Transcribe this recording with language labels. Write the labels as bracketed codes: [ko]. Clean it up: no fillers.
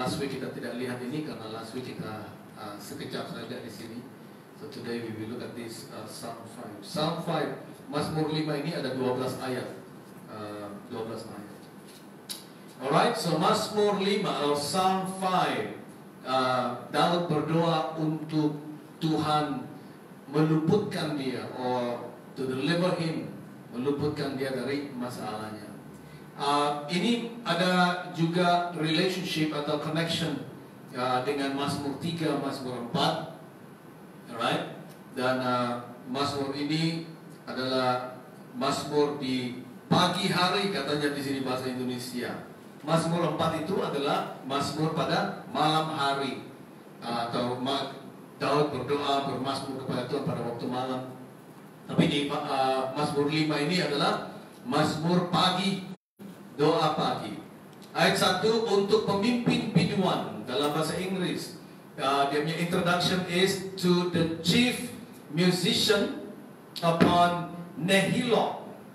[en] Last week [id] kita tidak lihat ini karena last week kita sekejap saja di sini. [en] So today we will look at this Psalm 5. [id] Psalm 5, Mazmur 5 ini ada 12 ayat. 12 ayat. Alright, so Mazmur 5 atau Psalm 5, Daud berdoa untuk Tuhan meluputkan dia [en] or to deliver him, [id] meluputkan dia dari masalahnya. Ini ada juga relationship atau connection dengan Mazmur 3, Mazmur 4, right? Dan Mazmur ini adalah Mazmur di pagi hari, katanya di sini bahasa Indonesia. Mazmur 4 itu adalah Mazmur pada malam hari, atau Daud berdoa bermazmur kepada Tuhan pada waktu malam. Tapi di Mazmur 5 ini adalah Mazmur pagi. Doa pagi. Ayat 1, untuk pemimpin biduan dalam bahasa Inggris. Dia punya [en] introduction is to the chief musician upon Nehiloh.